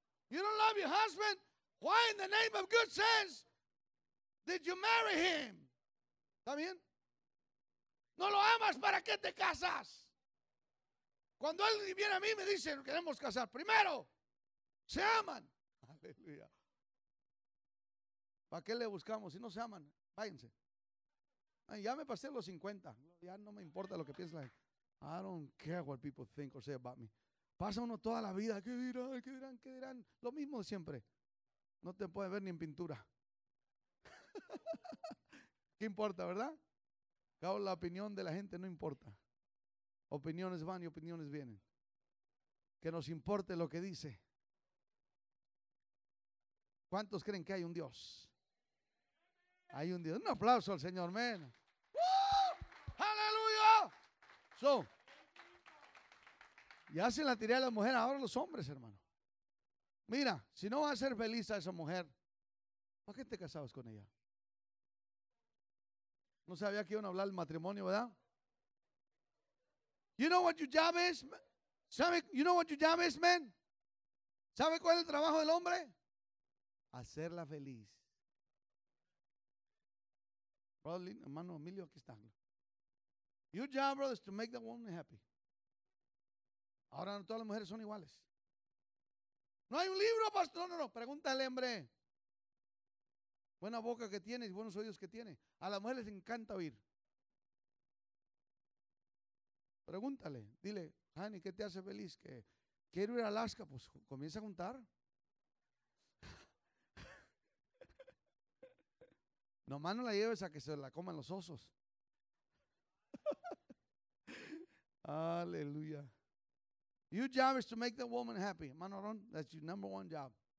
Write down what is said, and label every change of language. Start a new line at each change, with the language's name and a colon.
English: You don't love your husband? Why in the name of good sense did you marry him?
Spanish: ¿Está bien? No lo amas, ¿para qué te casas? Cuando él viene a mí me dice, queremos casar. Primero, se aman. Aleluya. ¿Para qué le buscamos? Si no se aman, váyanse. Ay, ya me pasé los 50. Ya no me importa lo que piensa la gente.
English: I don't care what people think or say about me.
Spanish: Pasa uno toda la vida. ¿Qué dirán? ¿Qué dirán? ¿Qué dirán? Lo mismo de siempre. No te puedes ver ni en pintura. ¿Qué importa, verdad? Cabo, la opinión de la gente no importa. Opiniones van y opiniones vienen. Que nos importe lo que dice. ¿Cuántos creen que hay un Dios? Hay un Dios. Un aplauso al Señor, amén. ¡Aleluya! So, ya se la tiré a la mujer, ahora los hombres, hermano. Mira, si no va a ser feliz a esa mujer, ¿para qué te casabas con ella? No sabía que iban a hablar del matrimonio, ¿verdad?
English: You know what your job is?
Spanish: ¿Sabe?
English: You know what your job is, man?
Spanish: ¿Sabe cuál es el trabajo del hombre? Hacerla feliz. Brother, hermano Emilio, aquí está.
English: Your job, brother, is to make the woman happy.
Spanish: Ahora no todas las mujeres son iguales. No hay un libro, pastor. No, no, no. Pregúntale, hombre. Buena boca que tiene y buenos oídos que tiene. A las mujeres les encanta oír. Pregúntale. Dile, honey, ¿qué te hace feliz? ¿Que quiero ir a Alaska? Pues comienza a juntar. Nomás no la lleves a que se la coman los osos. Aleluya.
English: Your job is to make the woman happy. Hermano Aaron, that's your number one job.